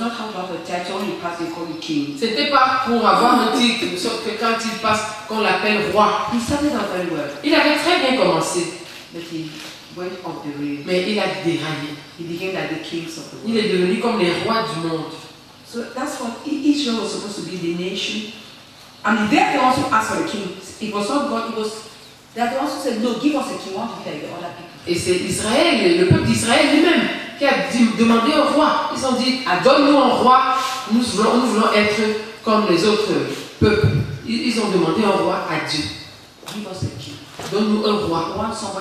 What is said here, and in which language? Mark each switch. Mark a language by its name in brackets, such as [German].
[English] not talking about a title when he passed and called him king. [French] C'était pas pour avoir un titre, de sorte que quand il passe, qu'on l'appelle roi. [English] He started out very well. [French] Il avait très bien commencé. [English] But he went off the rails. [French] Mais il a déraillé. [English] He became like the kings of the world. [French] Il est devenu comme les rois du monde. [English] So that's what Israel was supposed to be, the nation. And there they also asked for a king. It was not God. It was that they also said, no, give us a king. We want to be like the other people. [French] Et c'est Israël, le peuple d'Israël lui-même, qui a demandé au roi. Ils ont dit, donne-nous un roi, nous voulons être comme les autres peuples. Ils ont demandé un roi à Dieu. Donne-nous un roi.